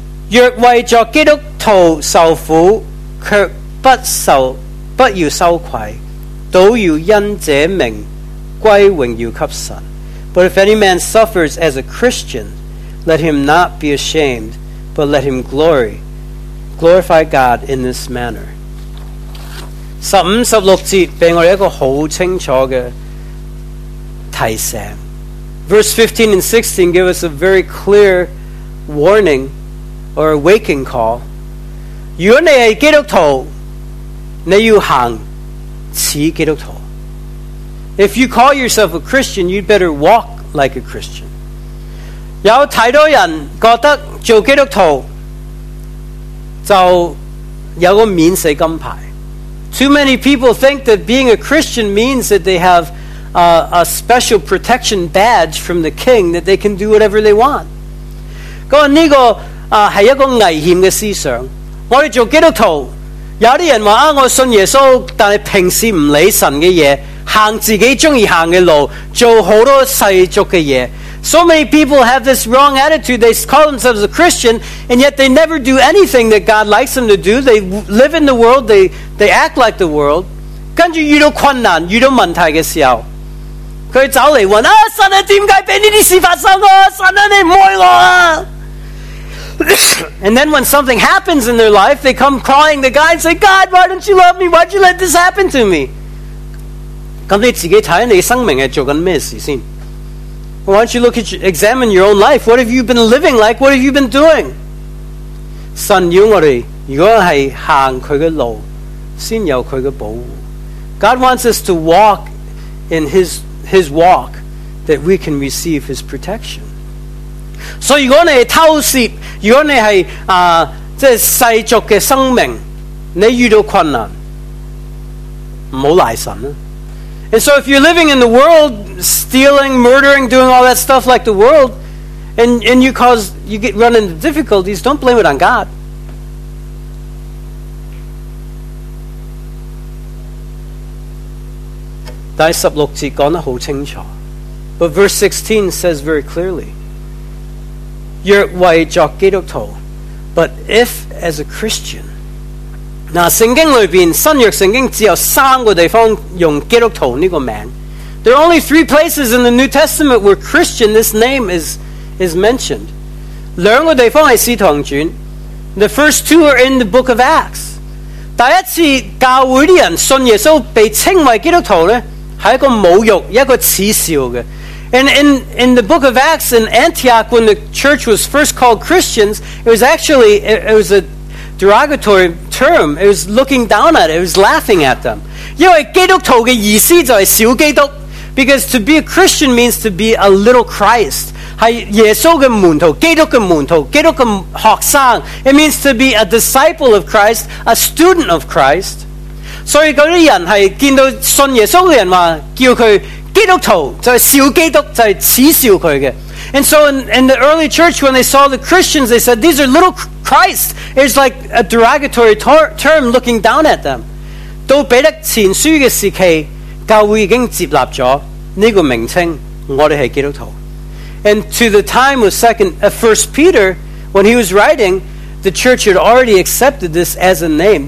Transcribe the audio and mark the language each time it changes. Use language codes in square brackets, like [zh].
[zh] 若为作基督徒受苦，却不要羞愧，倒要因这名归荣耀给神。 [en] But if any man suffers as a Christian, let him not be ashamed, but let him glorify God in this manner. [zh] 15, 16节给我们一个很清楚的提醒。 [en] Verse 15 and 16 give us a very clear warning or a waking call. [zh] 如果你是基督徒，你要行似基督徒。 [en] If you call yourself a Christian, you'd better walk like a Christian. [zh] 有太多人觉得做基督徒就有个免死金牌。 [en] Too many people think that being a Christian means that they have a special protection badge from the king that they can do whatever they want. [zh] 这个是一个危险的思想。我们做基督徒，有些人说我信耶稣，但是平时不理神的事，行自己喜欢行的路，做很多世俗的事。 [en] So many people have this wrong attitude. They call themselves a Christian, and yet they never do anything that God likes them to do. They live in the world, they act like the world. [zh] 跟着遇到困难，遇到问题的时候，他走来问，神啊，为什么让这些事发生啊？神啊，你不爱我啊？ [en] And then when something happens in their life, they come crying to God and say, God, why don't you love me? Why did you let this happen to me? [zh] 那你自己看你生命是在做什么事先？ [en] Why don't you look at your, examine your own life? What have you been living like? What have you been doing? [zh] 神要我们如果是行祂的路先有祂的保护。 [en] God wants us to walk in his walk that we can receive his protection. [zh] So 如果你是偷窃，如果你是即是世俗的生命，你遇到困难不要赖神。 [en] And so if you're living in the world, stealing, murdering, doing all that stuff like the world, and you get run into difficulties, don't blame it on God. But verse 16 says very clearly, but if as a Christian, [zh] 那圣经里面新约圣经只有三个地方用基督徒这个名。 [en] There are only three places in the New Testament where Christian, this name is mentioned. [zh] 两个地方是使徒行传。 [en] The first two are in the book of Acts. [zh] 第一次教会的人信耶稣被称为基督徒呢是一个侮辱一个耻笑的。 [en] And in the book of Acts in Antioch, when the church was first called Christians, it was a derogatory term. It was looking down at it. It was laughing at them. [zh] 因为基督徒的意思就是小基督。 [en] Because to be a Christian means to be a little Christ. [zh] 是耶稣的门徒，基督的门徒，基督的学生。 [en] It means to be a disciple of Christ, a student of Christ. [zh] 所以那些人是见到信耶稣的人说，叫他基督徒，就是小基督，就是耻笑他的。 [en] And so in the early church, when they saw the Christians, they said, these are little Christ. It's like a derogatory term looking down at them. [zh] 到彼得前书的时期，教会已经接纳了这个名称，我们是基督徒。 [en] And to the time of First Peter, when he was writing, the church had already accepted this as a name.